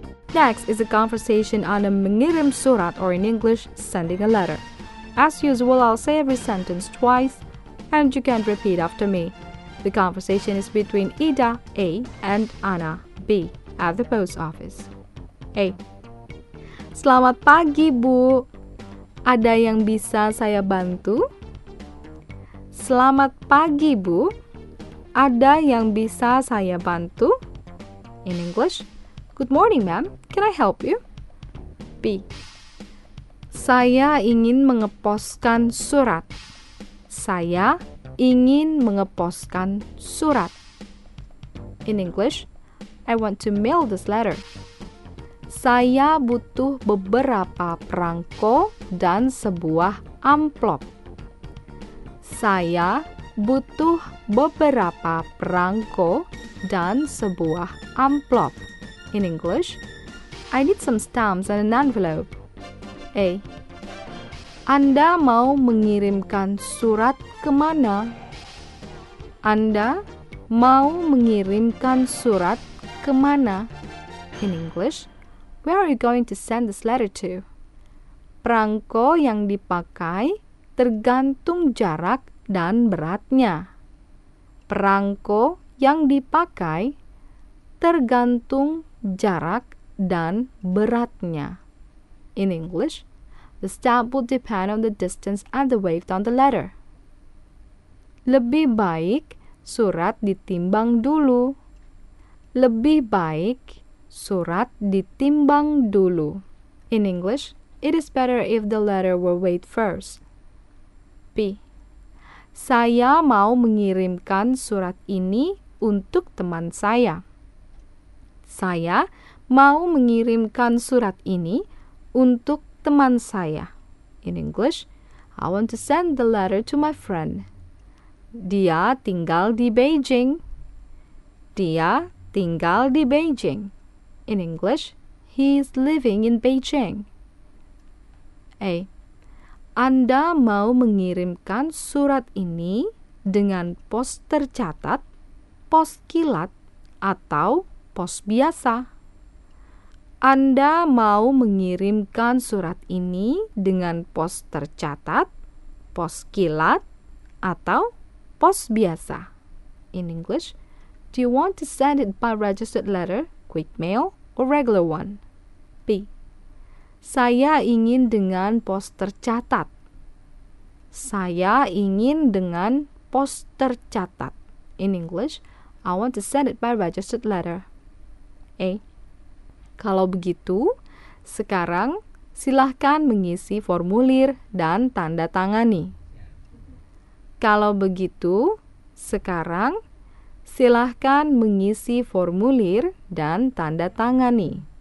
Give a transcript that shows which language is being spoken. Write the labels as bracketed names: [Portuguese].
[English] Next is a conversation on a [Indonesian] mengirim surat, [English] or in English, sending a letter. As usual, I'll say every sentence twice, and you can repeat after me. The conversation is between Ida, A, and Anna, B, at the post office. [Indonesian] A. Selamat pagi, Bu. Ada yang bisa saya bantu? Selamat pagi, Bu. Ada yang bisa saya bantu? [English] In English, good morning, ma'am. Can I help you? [Indonesian] B. Saya ingin mengeposkan surat. Saya ingin mengeposkan surat. [English] In English, I want to mail this letter. [Indonesian] Saya butuh beberapa perangko dan sebuah amplop. Saya butuh beberapa perangko dan sebuah amplop. [English] In English, I need some stamps and an envelope. A. [Indonesian] Anda mau mengirimkan surat ke mana? Anda mau mengirimkan surat ke mana? [English] In English, where are you going to send this letter to? [Indonesian] Perangko yang dipakai tergantung jarak dan beratnya. Perangko yang dipakai tergantung jarak dan beratnya. [English] In English, the stamp will depend on the distance and the weight on the letter. [Indonesian] Lebih baik surat ditimbang dulu. Lebih baik surat ditimbang dulu. [English] In English, it is better if the letter were weighed first. B. [Indonesian] Saya mau mengirimkan surat ini untuk teman saya. Saya mau mengirimkan surat ini untuk teman saya. [English] In English, I want to send the letter to my friend. [Indonesian] Dia tinggal di Beijing. Dia tinggal di Beijing. [English] In English, he is living in Beijing. [Indonesian] A. Anda mau mengirimkan surat ini dengan pos tercatat, pos kilat, atau pos biasa? Anda mau mengirimkan surat ini dengan pos tercatat, pos kilat, atau pos biasa? [English] In English, do you want to send it by registered letter, quick mail, or regular one? B. [Indonesian] Saya ingin dengan pos tercatat. Saya ingin dengan pos tercatat. [English] In English, I want to send it by registered letter. [Indonesian] A. Kalau begitu, sekarang silakan mengisi formulir dan tanda tangani. Kalau begitu, sekarang silakan mengisi formulir dan tanda tangani.